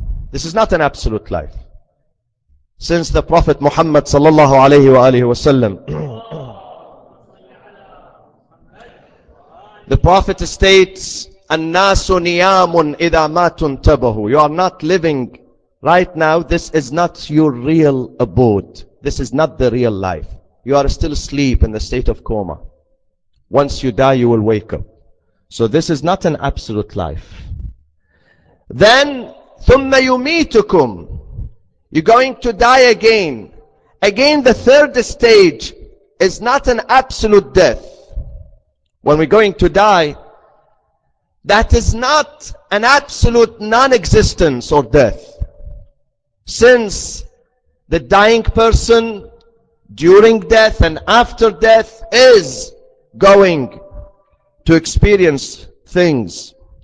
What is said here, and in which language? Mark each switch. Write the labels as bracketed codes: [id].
[en] This is not an absolute life. Since the Prophet Muhammad [ar] sallallahu alayhi wa alayhi wa sallam, [en] the Prophet states, [ar] النَّاسُ نِيَامٌ إِذَا مَا تُنْتَبَهُ. [en] You are not living right now. This is not your real abode. This is not the real life. You are still asleep in the state of coma. Once you die, you will wake up. So this is not an absolute life. [ar] Then, ثُمَّ يُمِيتُكُمْ. [en] You're going to die again. Again, the third stage is not an absolute death. When we're going to die, that is not an absolute non-existence or death. Since the dying person during death and after death is going to experience things.